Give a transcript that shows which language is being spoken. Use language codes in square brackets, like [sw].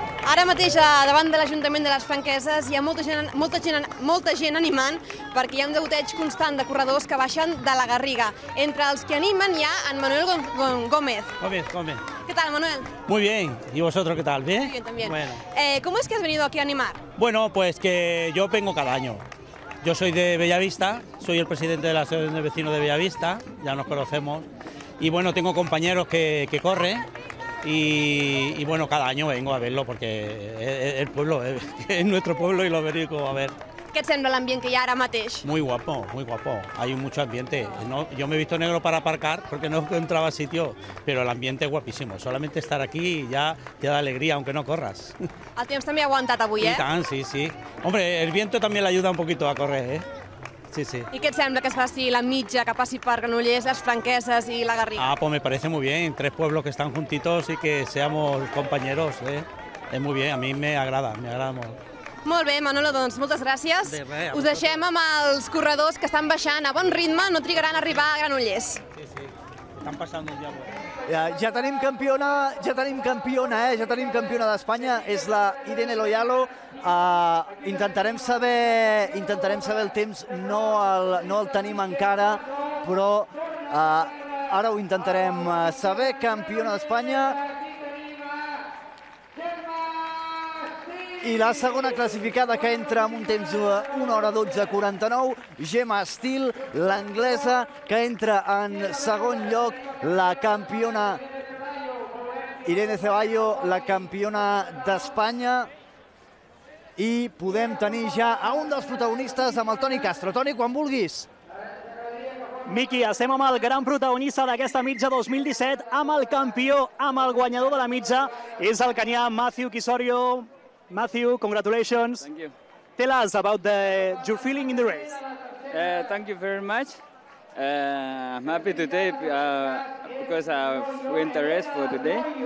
[ca] Ara mateix, davant de l'Ajuntament de les Franqueses, hi ha molta gent animant, perquè hi ha un degoteig constant de corredors que baixen de la Garriga. Entre els que animen hi ha en Manuel Gómez. Gómez. [es] ¿Qué tal, Manuel? Muy bien. ¿Y vosotros qué tal? ¿Bien? Muy bien, también. Bueno. ¿Cómo es que has venido aquí a animar? Bueno, pues que yo vengo cada año. Yo soy de Bellavista, soy el presidente de la Asociación de Vecinos de Bellavista, ya nos conocemos, y bueno, tengo compañeros que corren, y bueno, cada año vengo a verlo, porque es el pueblo, es nuestro pueblo y lo vengo a ver. ¿Qué te parece el ambiente que hay ahora mismo? Muy guapo, muy guapo, hay mucho ambiente. No, yo me he visto negro para aparcar porque no encontraba sitio, pero el ambiente es guapísimo, solamente estar aquí ya te da alegría, aunque no corras. El tiempo también ha aguantado hoy, ¿eh? Y tan, sí, sí. Hombre, el viento también le ayuda un poquito a correr, ¿eh? Sí, sí. ¿Y qué te parece que se haga la mitja, que pase por Granollers, las Franqueses y la Garriga? Ah, pues me parece muy bien, tres pueblos que están juntitos y que seamos compañeros, ¿eh? Es muy bien, a mí me agrada mucho. [ca] Molt bé, Manolo, doncs moltes gràcies. De res, us deixem amb els corredors que estan baixant a bon ritme, no trigaran a arribar a Granollers. Sí, sí, estan passant un diàleg. Ja tenim campiona d'Espanya, és la Irene Loyalo. Intentarem saber el temps, no el tenim encara, però ara ho intentarem saber, campiona d'Espanya. I la segona classificada, que entra amb un temps d'1 hora 12.49, Gemma Steele, l'anglesa, que entra en segon lloc, la campiona Irene Ceballo, la campiona d'Espanya. I podem tenir ja a un dels protagonistes amb el Toni Castro. Toni, quan vulguis. Miqui, estem amb el gran protagonista d'aquesta mitja 2017, amb el campió, amb el guanyador de la mitja, és el kenià Matthew Kisorio. [en] Matthew, congratulations. Thank you. Tell us about your feeling in the race. Thank you very much. I'm happy today because I've won the race for today.